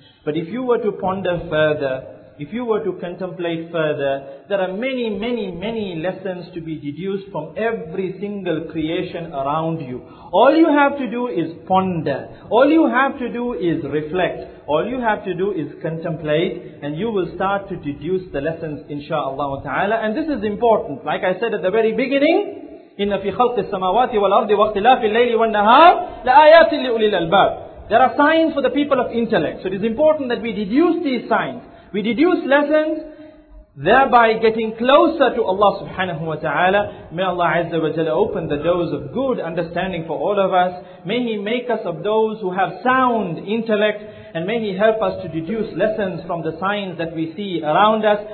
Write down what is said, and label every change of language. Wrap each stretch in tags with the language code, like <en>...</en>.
<en>But if you were to ponder further, if you were to contemplate further, there are many, many, many lessons to be deduced from every single creation around you. All you have to do is ponder. All you have to do is reflect. All you have to do is contemplate, and you will start to deduce the lessons insha'Allah ta'ala. And this is important. Like I said at the very beginning,</en> <ar>إِنَّ فِي خَلْقِ السَّمَاوَاتِ وَالْأَرْضِ وَاخْتِلَافِ اللَّيْلِ وَالنَّهَارِ لَآيَاتٍ لِأُولِي الْأَلْبَابِ.</ar> <en>There are signs for the people of intellect. So it is important that we deduce these signs. We deduce lessons, thereby getting closer to Allah subhanahu wa ta'ala. May Allah azza wa jalla open the doors of good understanding for all of us. May He make us of those who have sound intellect. And may He help us to deduce lessons from the signs that we see around us.</en>